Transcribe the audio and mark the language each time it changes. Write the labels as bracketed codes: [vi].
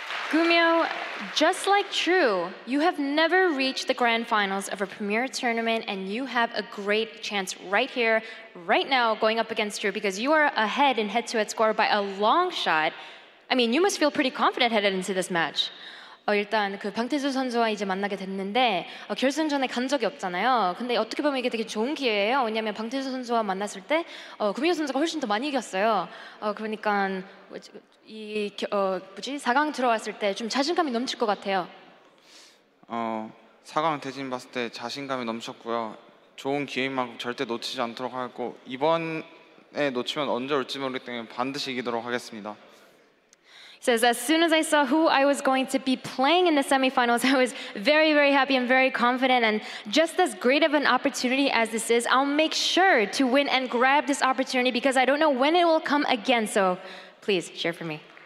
[en] Gumiho, just like True, you have never reached the grand finals of a premier tournament, and you have a great chance right here, right now, going up against True, because you are ahead in head-to-head score by a long shot. I mean, you must feel pretty confident headed into this match. [ko] 일단 그 방태수 선수와 이제 만나게 됐는데 결승전에 간 적이 없잖아요. 근데 어떻게 보면 이게 되게 좋은 기회예요. 왜냐하면 방태수 선수와 만났을 때 구미호 선수가 훨씬 더 많이 이겼어요. 그러니까 이 뭐지 4강 들어왔을 때 좀 자신감이 넘칠 것 같아요. 4강 대진 봤을 때 자신감이 넘쳤고요. 좋은 기회만큼 절대 놓치지 않도록 하고 이번에 놓치면 언제 올지 모르기 때문에 반드시 이기도록 하겠습니다. [en] Says as soon as I saw who I was going to be playing in the semifinals, I was very, very happy and very confident. And just as great of an opportunity as this is, I'll make sure to win and grab this opportunity because I don't know when it will come again. So please cheer for me.